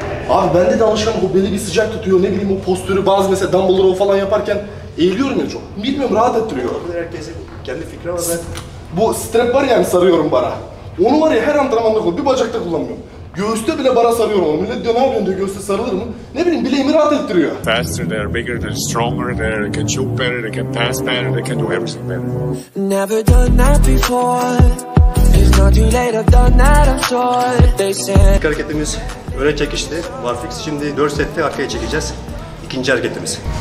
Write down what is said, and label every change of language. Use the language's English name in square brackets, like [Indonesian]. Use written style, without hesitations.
[Turkish] Abi bende de alışan o beli bir sıcak tutuyor, ne bileyim o postürü, bazı mesela Dumbledore'u falan yaparken eğiliyorum ya çok. Bilmiyorum, rahat ettiriyor. Herkesin kendi fikri var ben. Bu strap var ya, sarıyorum bara. Onu var ya her antrenmanda kullanıyorum, bir bacakta kullanmıyorum. Göğüste bile bara sarıyorum onu. Millet diyor ne yapıyorsun diyor, göğüste sarılır mı? Ne bileyim, bileğimi rahat ettiriyor. [English] Faster they're, bigger they're, stronger they're, they can shoot better, they can pass better, they can do everything better. Never done that before. [Turkish] İlk hareketimiz öne çekişti. Barfix şimdi 4 sette arkaya çekeceğiz. İkinci hareketimiz.